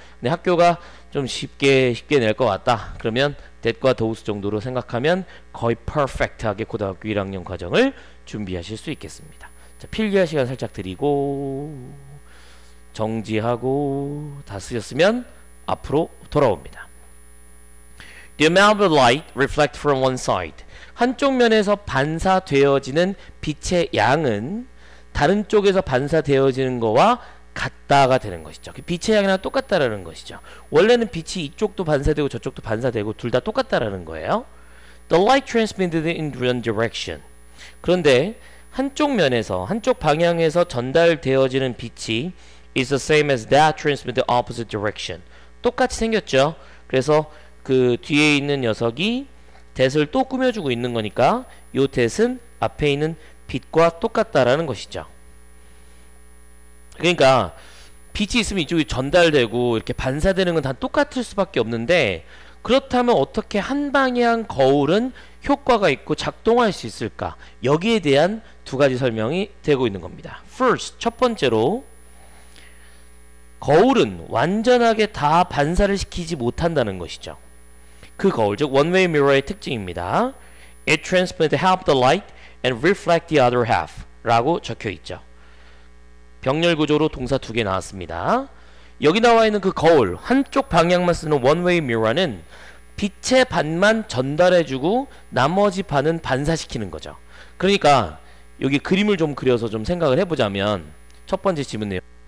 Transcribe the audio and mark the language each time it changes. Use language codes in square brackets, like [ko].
[ko] 근데 학교가 좀 쉽게 낼것 같다. 그러면 that과 those 정도로 생각하면 거의 퍼펙트하게 고등학교 1학년 과정을 준비하실 수 있겠습니다. 필기할 시간 살짝 드리고 정지하고 다 쓰셨으면 앞으로 돌아옵니다. [en] The amount of light reflect from one side. [ko] 한쪽 면에서 반사되어지는 빛의 양은 다른 쪽에서 반사되어지는 거와 같다가 되는 것이죠. 빛의 양이랑 똑같다라는 것이죠. 원래는 빛이 이쪽도 반사되고 저쪽도 반사되고 둘다 똑같다라는 거예요. [en] The light transmitted in one direction. [ko] 그런데 한쪽 면에서, 한쪽 방향에서 전달되어지는 빛이 [en] is the same as that transmitted opposite direction. [ko] 똑같이 생겼죠? 그래서 그 뒤에 있는 녀석이 that을 또 꾸며주고 있는 거니까 요 that은 앞에 있는 빛과 똑같다라는 것이죠. 그러니까 빛이 있으면 이쪽이 전달되고 이렇게 반사되는 건다 똑같을 수밖에 없는데 그렇다면 어떻게 한 방향 거울은 효과가 있고 작동할 수 있을까? 여기에 대한 두 가지 설명이 되고 있는 겁니다. First, 첫 번째로, 거울은 완전하게 다 반사를 시키지 못한다는 것이죠. 그 거울, 즉, one way mirror의 특징입니다. [en] It transmits half the light and reflects the other half. [ko] 라고 적혀 있죠. 병렬 구조로 동사 두개 나왔습니다. 여기 나와 있는 그 거울, 한쪽 방향만 쓰는 one way mirror는 빛의 반만 전달해주고 나머지 반은 반사시키는 거죠. 그러니까 여기 그림을 좀 그려서 좀 생각을 해보자면 첫 번째 질문이에요.